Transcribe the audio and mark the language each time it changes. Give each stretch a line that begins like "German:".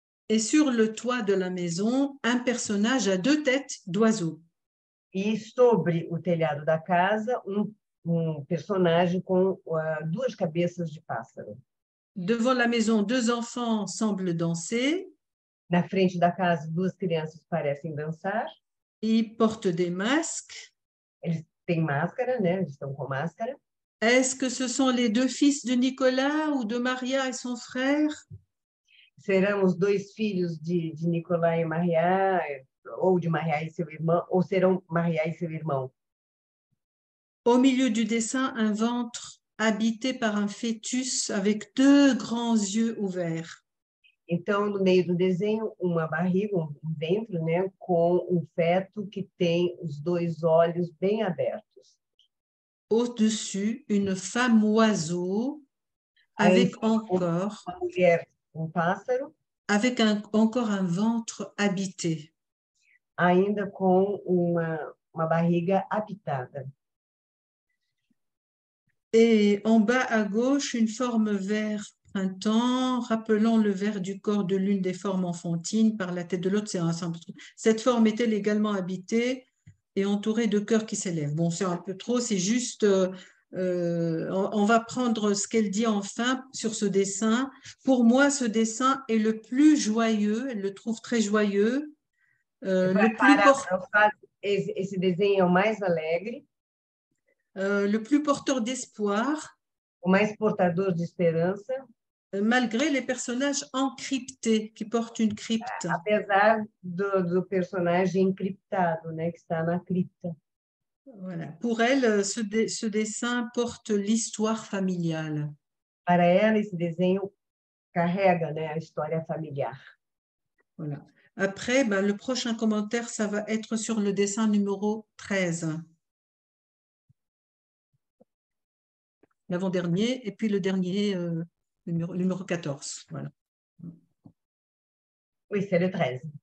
French: E sur le toit de la maison, un personnage à deux têtes d'oiseau.
Portuguese: E sobre o telhado da casa, um personagem com duas cabeças de pássaro.
French: Devant la maison, deux enfants semblent danser.
Portuguese: Na frente da casa, duas crianças parecem dançar.
French: Ils portent des masques.
Portuguese: Eles têm máscara, né? Eles estão com máscara.
French: Est-ce que ce sont les deux fils de Nicolas ou de Maria et son frère?
Portuguese: Serão os dois filhos de Nicolas e Maria, ou de Maria e seu irmão, ou serão Maria e seu irmão?
French: Au milieu du dessin, un ventre habité par un fœtus avec deux grands yeux ouverts.
Portuguese: Então, no meio do desenho, uma barriga, um ventre, né, com um feto que tem os dois olhos bem abertos.
French: Au-dessus, une femme oiseau avec encore
Portuguese: uma mulher, um pássaro,
French: avec encore un ventre habité.
Portuguese: Ainda com uma barriga habitada.
French: Et en bas à gauche, une forme vert printemps, rappelant le vert du corps de l'une des formes enfantines par la tête de l'autre. C'est un simple truc. Cette forme est-elle également habitée et entourée de cœurs qui s'élèvent? Bon, c'est un peu trop, c'est juste. On va prendre ce qu'elle dit enfin sur ce dessin. Pour moi, ce dessin est le plus joyeux, elle le trouve très joyeux. Ce dessin est le plus alegre. Le plus porteur d'espoir,
Portuguese: o mais portador de esperança,
French: malgré les personnages encryptés qui portent une crypte.
Portuguese: Apesar do personagem encriptado, né, que está na cripta.
French: Voilà. Pour elle, ce dessin porte l'histoire familiale.
Portuguese: Para ela, esse desenho carrega, né, a história familiar.
French: Voilà. Après, ben, le prochain commentaire, ça va être sur le dessin numéro 13. L'avant-dernier, et puis le dernier, numéro 14. Voilà. Oui, c'est le 13.